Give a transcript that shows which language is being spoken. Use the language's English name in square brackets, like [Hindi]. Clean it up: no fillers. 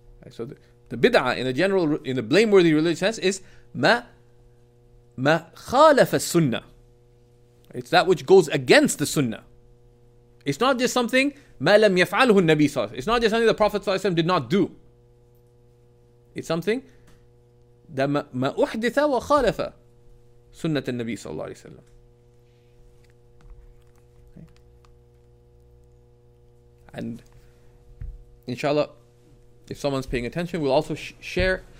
[English] So the bid'ah in a blameworthy religious sense is [Arabic] ma khalafa sunnah. [English] It's that which goes against the sunnah. It's not just something [Arabic] مَا لَمْ يَفْعَلْهُ النَّبِي صَلَّى اللَّهُ. [English] It's not just something the Prophet ﷺ did not do. It's something that [Arabic] مَا أُحْدِثَ وَخَالَفَ سُنَّةَ النَّبِي صَلَّى اللَّهُ عَلَيْهِ وَسَلَّمَ. [English] And inshallah, if someone's paying attention, we'll also share.